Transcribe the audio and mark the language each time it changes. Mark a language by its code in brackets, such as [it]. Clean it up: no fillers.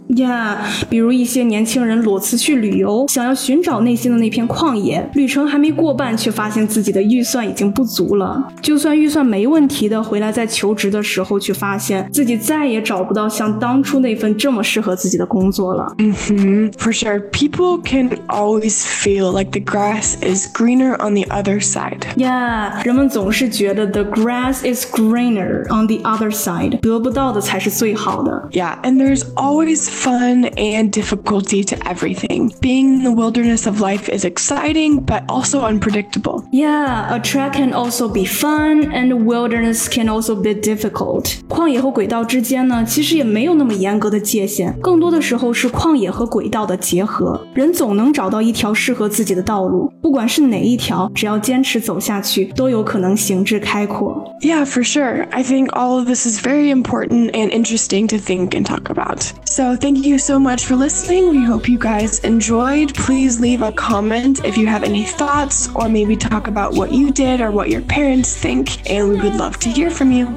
[zh] Yeah, 比如一些年轻人裸辞去旅游，想要寻找内心的那片旷野，旅程还没过半，却发现自己的预算已经不足了。就算预算没问题的，回来在求职的时候，却发现自己再也找不到像当初那份这么适合自己的工作了。 [en] For sure, people can always feel like the grass is greener on the other side. [zh] Yeah, 人们总是觉得 [en] the grass is greener on the other side, [zh] 得不到的才是最好的。 [en] Yeah, and there's always fun and difficulty to everything. Being in the wilderness of life is exciting, but also unpredictable. Yeah, a track can also be fun, and wilderness can also be difficult. [zh] 旷野和轨道之间呢，其实也没有那么严格的界限，更多的时候是旷野和轨道的结合。人总能找到一条适合自己的道路，不管是哪一条，只要坚持走下去，都有可能行至开阔。 [en] Yeah, for sure. I think all of this is very important and interesting to think and talk about. So thank you so much for listening. We hope you guys enjoyed. Please leave a comment if you have any thoughts or maybe talk about what you did or what your parents think. And we would love to hear from you.